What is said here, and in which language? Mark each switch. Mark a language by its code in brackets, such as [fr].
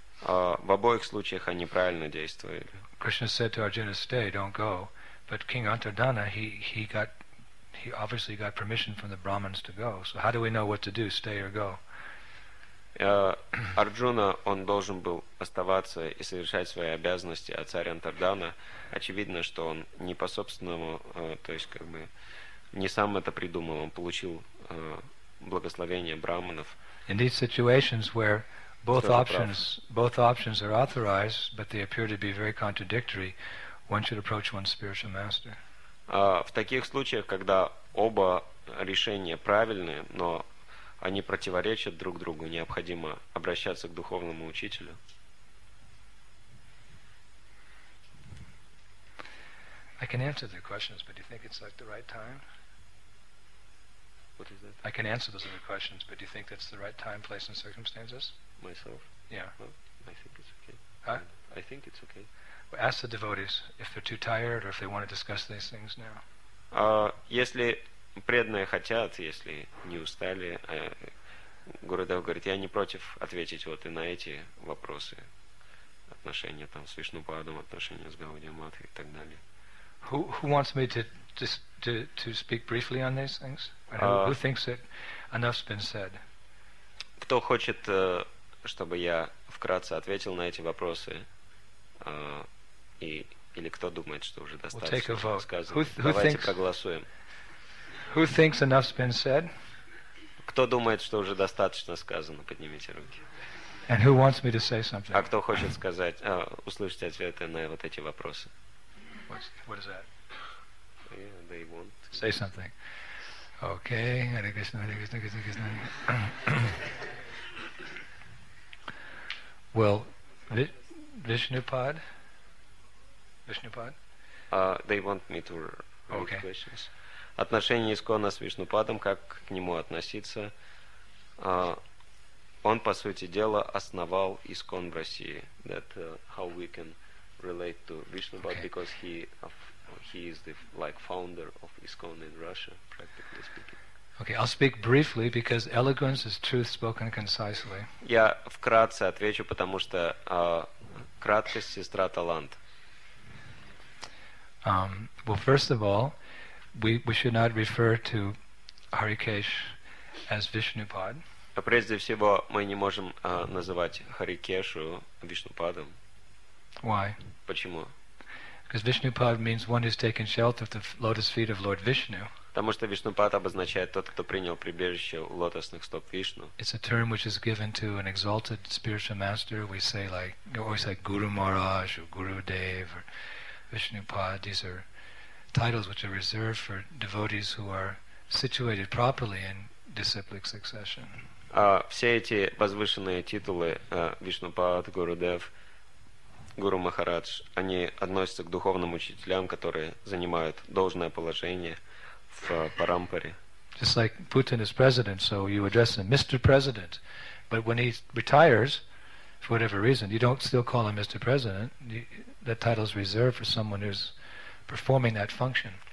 [ru] В обоих случаях они правильно действовали. [en] Krishna said to Arjuna, stay, don't go. But King Antardhana, he obviously got permission from the Brahmins to go. So how do we know what to do, stay or go? [ru] Арджуна, он должен был оставаться и совершать свои обязанности, а царь Антардхана, очевидно, что он не по собственному, то есть как бы не сам это придумал, он получил благословение брахманов. [en] In these situations where both options are authorized, but they appear to be very contradictory, one should approach one's spiritual master. [ru] В таких случаях, когда оба решения правильные, но они противоречат друг другу, необходимо обращаться к духовному учителю. [en] I can answer the questions, but do you think it's like the right time? What is that? I can answer those other questions, but do you think that's the right time, place, and circumstances? Myself? Yeah. Well, I think it's okay. Huh? I think it's okay. Well, ask the devotees if they're too tired or if they want to discuss these things now. [ru] Если преданные хотят, если не устали, Гурудев говорит, я не против ответить вот и на эти вопросы, отношения там с Вишнупадом, отношения с Гаудиаматой и так далее. [en] Who wants me to speak briefly on these things? Who thinks that enough's been said? [ru] Кто хочет, чтобы я вкратце ответил на эти вопросы, или кто думает, что уже достаточно [en] we'll [ru] сказано? Давайте проголосуем. [en] Who thinks enough's been said? [ru] Кто думает, что уже достаточно сказано? Поднимите руки. [en] And who wants me to say something? [ru] А кто хочет сказать, услышать ответы на вот эти вопросы? [en] What is that? Yeah, they want to say something. Okay. Hare Krishna, Hare Krishna, Krishna Krishna. Well, Vishnupad? They want me to read okay. questions. [ru] Отношение Искона с Вишнупадом, как к нему относиться? Он, по сути дела, основал Искон в России. [en] That how we can relate to Vishnupad, okay. Because he is the like founder of Iskon in Russia, practically speaking. Okay, I'll speak briefly because eloquence is truth spoken concisely. [ru] Я вкратце отвечу, потому что краткость сестра талант. [en] Well, first of all. We should not refer to Harikesh as Vishnupad. [ru] Прежде всего, мы не можем называть Харикешу Вишнупадом. [en] Why? [ru] Почему? [en] Because Vishnupad means one who's taken shelter at the lotus feet of Lord Vishnu. [ru] Потому что Вишнупад обозначает тот, кто принял прибежище у лотосных стоп Вишну. [en] It's a term which is given to an exalted spiritual master. We say like, we always say Guru Maharaj or Guru Dev or Vishnupad. These are titles which are reserved for devotees who are situated properly in disciplic succession. [ru] Все эти возвышенные титулы Вишнупад, Гурудев, Гуру Махарадж, они относятся к духовным учителям, которые занимают должное положение в парампаре. [en] Just like Putin is president, so you address him Mr. President. But when he retires, for whatever reason, you don't still call him Mr. President. That title is reserved for someone who's performing that function.